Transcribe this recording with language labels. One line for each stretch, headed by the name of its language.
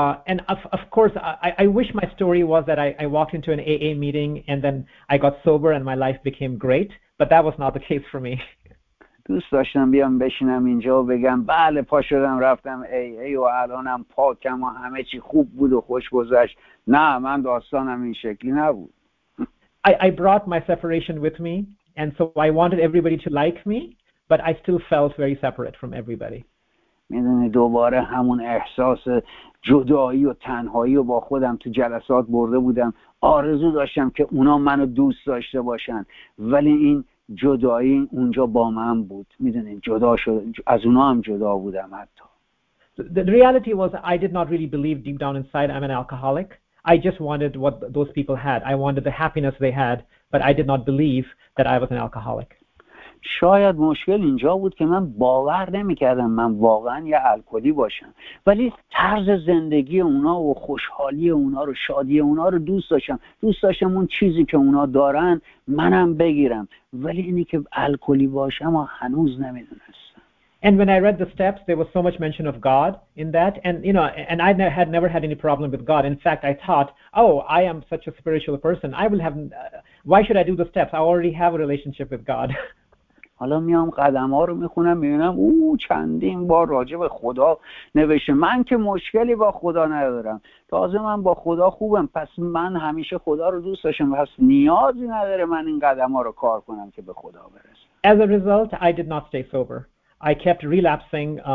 English: And of course I wish my story was that I walked into an AA meeting and then I got sober and my life became great, but that was not the case for me.
Persian: دوست داشتم بیام بشینم اینجا و بگم بله پا شدم رفتم AA و الانم پاکم و همه چی خوب بود و خوش گذشت. نه، من داستانم این شکلی نبود.
English: I brought my separation with me and so I wanted everybody to like me, but I still felt very separate from everybody.
Persian: میدونی دوباره همون احساس جدایی و تنهایی و با خودم تو جلسات برده بودم. آرزو داشتم که اونا منو دوست داشته باشن، ولی این جدایی اونجا با من بود. میدونی جدا شد، از اونا هم جدا بودم. حتی
English: The reality was I did not really believe deep down inside I'm an alcoholic. I just wanted what those people had. I wanted the happiness they had, but I did not believe that I was an alcoholic.
Persian: شاید مشکل اینجا بود که من باور نمی‌کردم من واقعا یه الکلی باشم، ولی طرز زندگی اونا و خوشحالی اونا رو، شادی اونا رو دوست داشتم. دوست داشتم اون چیزی که اونا دارن منم بگیرم، ولی اینی که الکلی باشم و هنوز نمی‌دونستم.
English: And when I read the steps, there was so much mention of God in that, and you know, and I had never had any problem with God. In fact, I thought, oh, I am such a spiritual person. I will have why should I do the steps? I already have a relationship with God.
Persian: حالا میام قدم ها رو میخونم میبینم او چندین بار راجع به خدا نوشته، من که مشکلی با خدا ندارم، تازه من با خدا خوبم، پس من همیشه خدا رو دوست داشتم، پس نیازی نداره من این قدم ها رو کار کنم که به خدا برسم.
English: As a result, I did not stay sober. I kept relapsing.